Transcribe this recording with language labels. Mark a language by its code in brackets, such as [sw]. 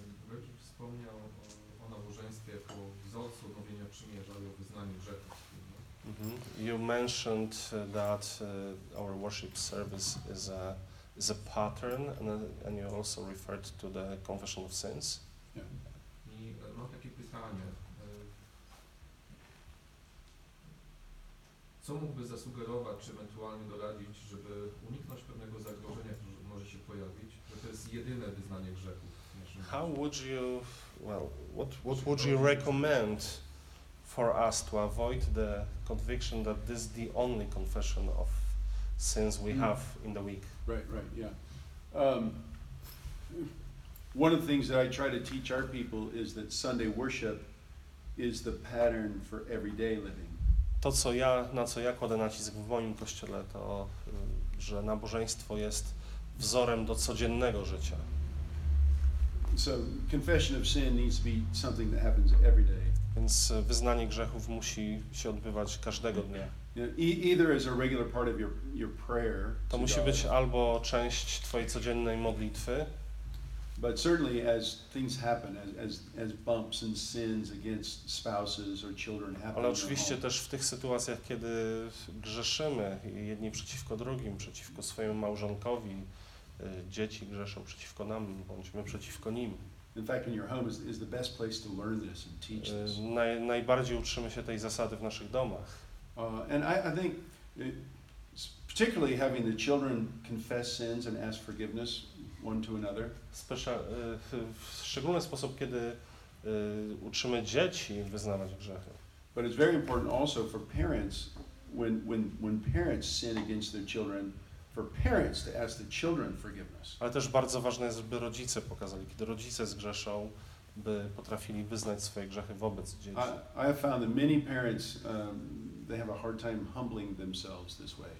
[pl] Rodzic wspomniał o nabożeństwie jako wzorcu odnowienia przymierza i o wyznaniu grzechów. [en] You mentioned that our worship service is a pattern, and you also referred to the confession of sins. [pl] I mam takie pytanie. Co mógłby zasugerować, czy ewentualnie doradzić, żeby uniknąć pewnego zagrożenia, które może się pojawić, że to jest jedyne wyznanie grzechów? [en] What would you recommend for us to avoid the conviction that this is the only confession of sins we have in the week? Right, yeah. One of the things that I try to teach our people is that Sunday worship is the pattern for everyday living. [pl] To, na co ja kładę nacisk w moim kościele, to, że nabożeństwo jest wzorem do codziennego życia. [en] So, confession of sin needs to be something that happens every day. [pl] Więc wyznanie grzechów musi się odbywać każdego dnia. [en] Either as a regular part of your prayer. [pl] To musi być albo część twojej codziennej modlitwy. [en] But certainly as things happen, as bumps and sins against spouses or children happen. [pl] Ale oczywiście też w tych sytuacjach, kiedy grzeszymy jedni przeciwko drugim, przeciwko swojemu małżonkowi, dzieci grzeszą przeciwko nam, bądź my przeciwko nim. [en] In fact, in your home is the best place to learn this and teach this. [pl] Najbardziej uczymy się tej zasady w naszych domach. [en] And I think particularly having the children confess sins and ask forgiveness one to another. [pl] W szczególny sposób, kiedy uczymy dzieci wyznawać grzechy. [en] But it's very important also for parents when parents sin against their children. For parents to ask the children forgiveness. [pl] Ale też bardzo ważne jest, by rodzice pokazali, kiedy rodzice zgrzeszą, by potrafili wyznać swoje grzechy wobec dzieci. [en] I have found that many parents they have a hard time humbling themselves this way.